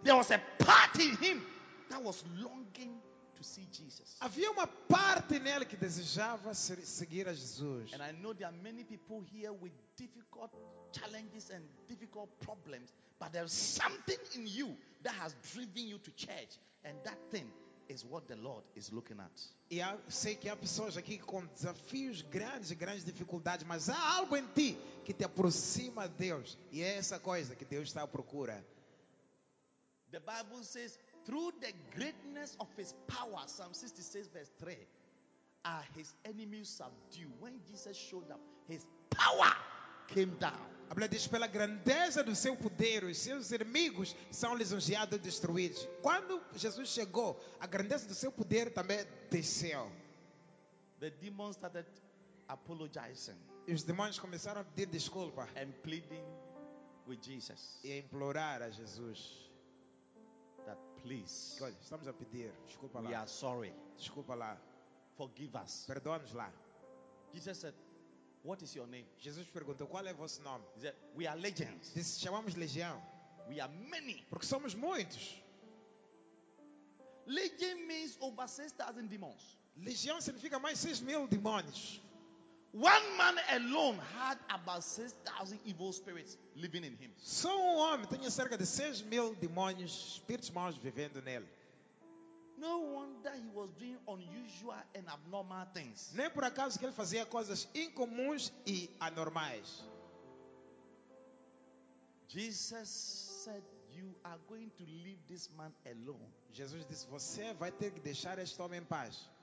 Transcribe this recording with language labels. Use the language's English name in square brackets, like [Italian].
[English] There was a part in him that was longing to see Jesus. [Portuguese] Havia uma parte nele que desejava seguir a Jesus. [English] And I know there are many people here with difficult challenges and difficult problems, but there's something in you that has driven you to church, and that thing is what the Lord is looking at. [Portuguese] E eu sei que há pessoas aqui com desafios grandes e grandes dificuldades, mas há algo em ti que te aproxima a Deus, e é essa coisa que Deus está à procura. [English] The Bible says, through the greatness of his power, Psalm 66 verse 3, are his enemies subdued. When Jesus showed up, his power came down. [Portuguese] A Bíblia diz, pela grandeza do seu poder, os seus inimigos são lisonjeados e destruídos. Quando Jesus chegou, a grandeza do seu poder também desceu. [English] The demons started apologizing. [Portuguese] Os demônios começaram a pedir desculpa. [English] And pleading with Jesus. [Portuguese] E a implorar a Jesus. [English] That please, [Portuguese] God, estamos a pedir, desculpa [English] we [Portuguese] lá. [English] Are sorry. [Portuguese] Desculpa lá. [English] Forgive us. [Portuguese] Perdoa-nos lá. [English] Jesus said, what is your name? [Portuguese] Jesus perguntou, qual é o vosso nome? [English] He said, we are legends. [Portuguese] Diz, chamamos legião. [English] We are many. [Portuguese] Porque somos muitos. [English] Legion means over 6,000 demons. [Portuguese] Legião significa mais 6 mil demônios. [English] One man alone had about 6,000 evil spirits living in him. [Portuguese] Só um homem tinha cerca de 6 mil demônios, espíritos maus vivendo nele. [English] No wonder he was doing unusual and abnormal things. [Portuguese] Nem por acaso que ele fazia coisas incomuns e anormais. [English] Jesus said, you are going to leave this man alone. [Portuguese] Jesus disse, você vai ter que deixar este homem em paz.